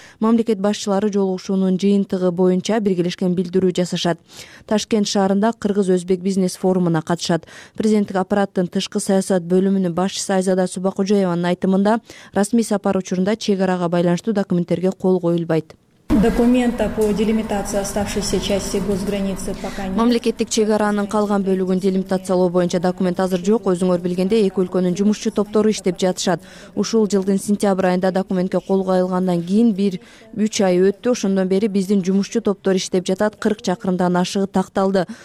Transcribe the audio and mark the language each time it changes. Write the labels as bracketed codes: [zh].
[ky] Мамлекет башчылары жолугушуунун жыйынтыгы боюнча биргелешкен билдирүү жасашат. Ташкент шаарында кыргыз өзбек бизнес форумуна катышат. Президенттик аппараттын тышкы саясат бөлүмүнүн башчысы Айзада Субакужоеванын айтымында, расмий сапар учурунда чек арага байланыштуу документтерге кол коюлбайт. [ru] Документа по делимитации оставшейся части госграницы пока нет. [ky] Мамлекеттик чек аранын калган бөлүгүн делимитациялоо боюнча документ азыр жок. Өзүңөр билгендей, эки өлкөнүн жумушчу топтору иштеп жатышат. Ушул жылдын сентябрь айында документке кол коюлгандан кийин 1-3 ай өттү. Ошондон бери биздин жумушчу топтор иштеп жатат. 40 чакырымдан ашыгы такталды.